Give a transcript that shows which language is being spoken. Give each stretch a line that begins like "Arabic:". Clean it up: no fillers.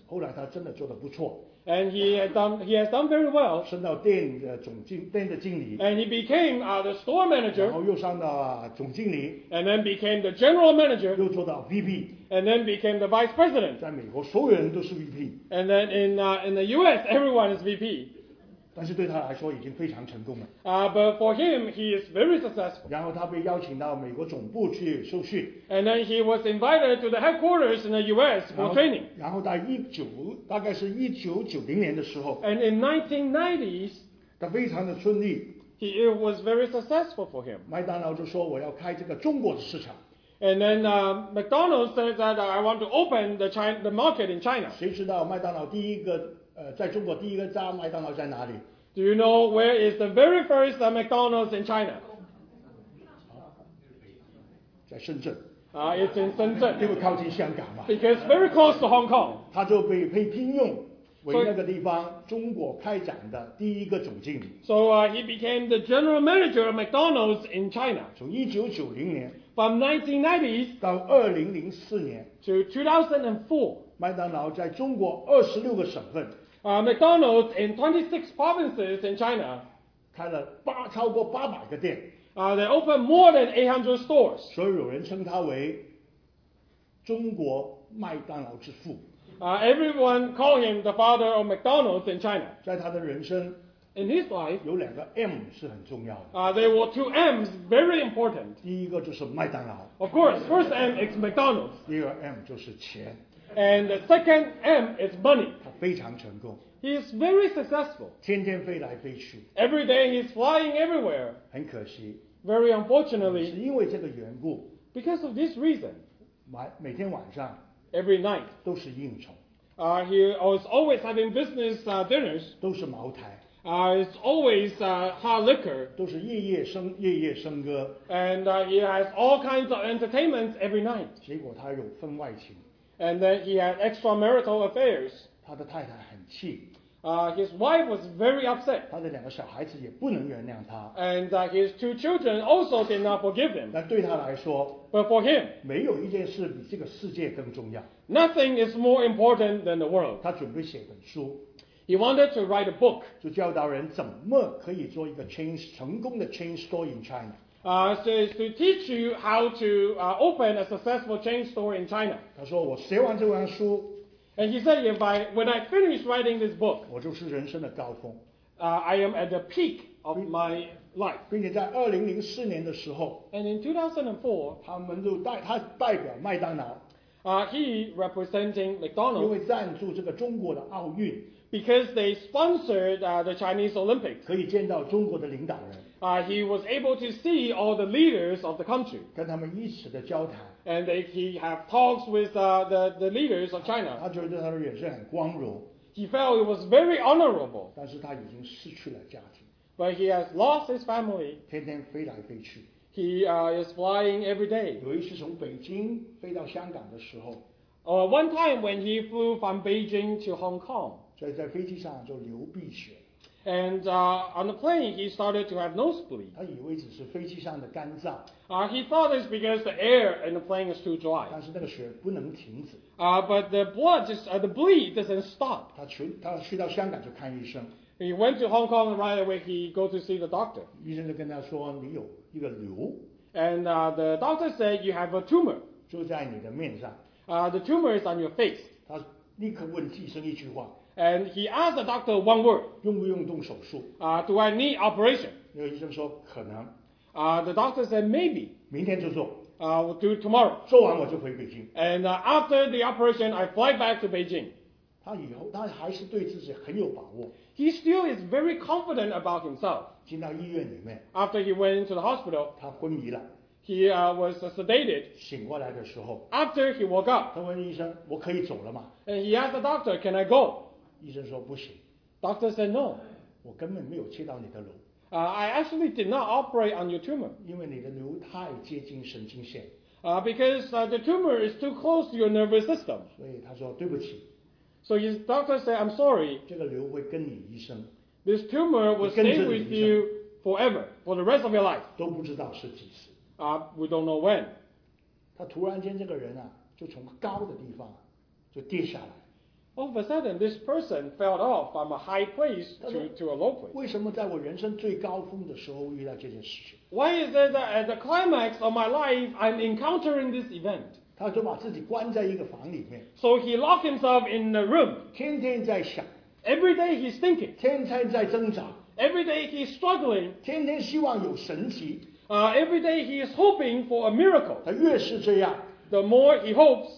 Chinese: 后来他真的做得不错。
English: And he has done very well.
Chinese: 升到店的总经店的经理。
English: And he became the store manager.
Chinese: 然后又上到总经理。
English: And then became the general manager.
Chinese: 又做到 VP.
English: And then became the vice president.
Chinese: 在美国，所有人都是 VP.
English: And then in the US, everyone is VP.
Chinese: 但是对他来说已经非常成功了。
English: But for him, he is very successful.
Chinese: 然后他被邀请到美国总部去受训。
English: And then he was invited to the headquarters in the US for training.
Chinese: 然后在大概是1990年的时候。
English: And in 1990s,
Chinese: 他非常的顺利。
English: It was very successful for him.
Chinese: 麦当劳就说我要开这个中国的市场。
English: And then McDonald's said that I want to open the market in China.
Chinese: 谁知道麦当劳第一个在中国第一个家麦当劳在哪里？
English: Do you know where is the very first McDonald's in China?
Chinese: 在深圳。
English: It's in 深圳。
Chinese: 因为靠近香港嘛。
English: Because very close to Hong Kong.
Chinese: 他就被聘用为那个地方中国开展的第一个总经理。
English: So he became the general manager of McDonald's in China.
Chinese: 从1990年。
English: From 1990s.
Chinese: 到2004年。
English: To 2004.
Chinese: 麦当劳在中国26个省份。
English: McDonald's in 26 provinces in China.
Chinese: 开了超过800个店。
English: They opened more than 800 stores.
Chinese: 所以有人称他为中国麦当劳之父。
English: Everyone called him the father of McDonald's in China.
Chinese: 在他的人生。
English: In his life.
Chinese: 有两个 M 是很重要的。
English: There were two M's very important.
Chinese: 第一个就是麦当劳。
English: Of course, first M is McDonald's.
Chinese: 第二 M 就是钱。
English: And the second M is money.
Chinese: 他非常成功。
English: He is very successful.
Chinese: 天天飞来飞去。
English: Every day he's flying everywhere.
Chinese: 很可惜。
English: Very unfortunately.
Chinese: 是因为这个缘故。
English: Because of this reason.
Chinese: 每天晚上。
English: Every night.
Chinese: 都是应酬。
English: He is always having business dinners.
Chinese: 都是茅台。
English: It's always hard liquor.
Chinese: 都是夜夜笙歌。
English: And he has all kinds of entertainments every night.
Chinese: 结果他有婚外情。
English: And then he had extramarital affairs.
Chinese: 他的太太很气。
English: His wife was very upset.
Chinese: 他的两个小孩子也不能原谅他。
English: And his two children also did not forgive him.
Chinese: 但对他来说，
English: But for him,
Chinese: 没有一件事比这个世界更重要。
English: Nothing is more important than the world.
Chinese: 他准备写本书。
English: He wanted to write a book.
Chinese: 就教导人怎么可以做一个 change, 成功的
English: chain store in China. So it's to teach you how to open a successful chain store in China.
Chinese: 他说我写完这本书。
English: And he said, when I finish writing this book,
Chinese: 我就是人生的高峰。
English: I am at the peak of my life.
Chinese: 并且在2004年的时候。
English: And in 2004,
Chinese: 他代表麦当劳。
English: He representing McDonald's.
Chinese: 因为赞助这个中国的奥运。
English: Because they sponsored the Chinese Olympics.
Chinese: 可以见到中国的领导人。
English: He was able to see all the leaders of the country.
Chinese: 跟他们一起的交谈。
English: And he had talks with the leaders of China.
Chinese: 他觉得他的人生很光荣。
English: He felt it was very honorable.
Chinese: 但是他已经失去了家庭。
English: But he has lost his family.
Chinese: 天天飞来飞去。
English: He is flying every day.
Chinese: 有一次从北京飞到香港的时候。
English: One time when he flew from Beijing to Hong Kong.
Chinese: 在飞机上就流鼻血。
English: And on the plane, he started to have nosebleed.
Chinese: 他以为只是飞机上的干燥。
English: He thought it's because the air in the plane is too dry.
Chinese: 但是那个血不能停止。
English: But the blood, the bleed doesn't stop.
Chinese: 他去到香港就看医生。
English: He went to Hong Kong right away, he go to see the doctor.
Chinese: 医生就跟他说你有一个瘤。
English: And the doctor said you have a tumor.
Chinese: 就在你的面上。
English: The tumor is on your face.
Chinese: 他立刻问医生一句话。
English: And he asked the doctor one word.
Chinese: 用不用动手术？
English: Do I need operation?
Chinese: 那个医生说可能。
English: The doctor said maybe.
Chinese: 明天就做。
English: We'll do tomorrow.
Chinese: 做完我就回北京。
English: And after the operation, I fly back to Beijing.
Chinese: 他还是对自己很有把握。
English: He still is very confident about himself.
Chinese: 进到医院里面。
English: After he went into the hospital.
Chinese: 他昏迷了。
English: He was sedated.
Chinese: 醒过来的时候。
English: After he woke up.
Chinese: 他问医生，我可以走了吗？
English: And he asked the doctor, can I go?
Chinese: 医生说不行。
English: Doctor said no.
Chinese: 我根本没有切到你的瘤。
English: I actually did not operate on your tumor.
Chinese: 因为你的瘤太接近神经线。
English: Because the tumor is too close to your nervous system.
Chinese: 所以他说对不起。
English: So his doctor said I'm sorry.
Chinese: 这个瘤会跟你一生。
English: This tumor will stay with you forever, for the rest of your life.
Chinese: 都不知道是几时。
English: We don't know when.
Chinese: 他突然间这个人啊，就从高的地方就跌下来。
English: All of a sudden, this person fell off from a high place to a low place.
Chinese: 为什么在我人生最高峰的时候遇到这件事情
English: ？Why is it that at the climax of my life, I'm encountering this event?
Chinese: 他就把自己关在一个房里面。
English: So he locked himself in the room.
Chinese: 天天在想。
English: Every day he's thinking.
Chinese: 天天在挣扎。
English: Every day he's struggling.
Chinese: 天天希望有神奇。
English: Every day he is hoping for a miracle.
Chinese: 他越是这样。
English: The more he hopes,